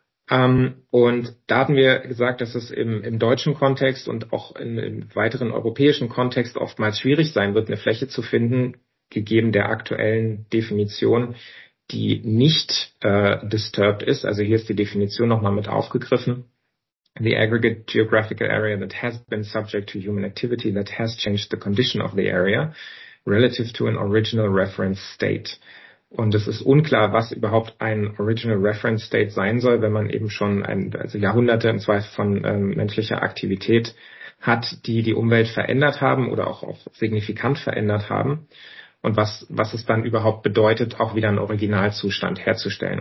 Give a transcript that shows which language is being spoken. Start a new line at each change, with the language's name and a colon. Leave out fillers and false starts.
German: Und da hatten wir gesagt, dass es im deutschen Kontext und auch im weiteren europäischen Kontext oftmals schwierig sein wird, eine Fläche zu finden, gegeben der aktuellen Definition, die nicht disturbed ist. Also hier ist die Definition nochmal mit aufgegriffen.
English: The aggregate geographical area that has been subject to human activity that has changed the condition of the area relative to an original reference state.
German: Und es ist unklar, was überhaupt ein original reference state sein soll, wenn man eben schon Jahrhunderte im Zweifel von menschlicher Aktivität hat, die Umwelt verändert haben oder auch signifikant verändert haben. Und was es dann überhaupt bedeutet, auch wieder einen Originalzustand herzustellen.